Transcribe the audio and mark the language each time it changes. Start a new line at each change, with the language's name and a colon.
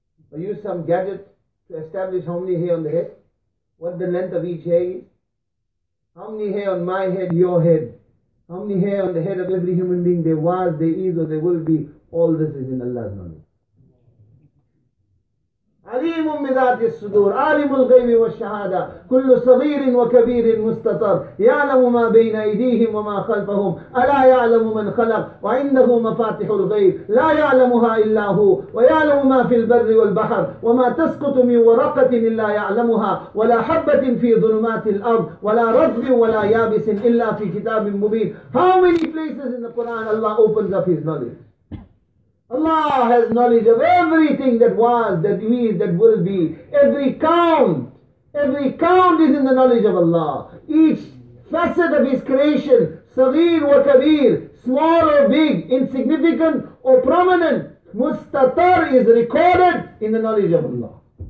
English: Or use some gadget to establish how many hair on the head? What the length of each hair is? How many hair on my head, your head? How many hair on the head of every human being? There was, there is, or there will be. All this is in Allah's knowledge.
Arabic: عليم بذات الصدور عالم الغيب والشهادة كل صغير وكبير مستطر يعلم ما بين أيديهم وما خلفهم ألا يعلم من خلق وعنده مفاتح الغيب لا يعلمها إلا هو ويعلم ما في البر والبحر وما تسقط من ورقة إلا يعلمها ولا حبة في ظلمات الأرض ولا رطب ولا يابس إلا في كتاب مبين.
English: How many places in the Quran Allah opens up his knowledge? Allah has knowledge of everything that was, that is, that will be. Every count is in the knowledge of Allah. Each facet of His creation,
Arabic: sagheer wa kabir,
English: small or big, insignificant or prominent, mustatar is recorded in the knowledge of Allah.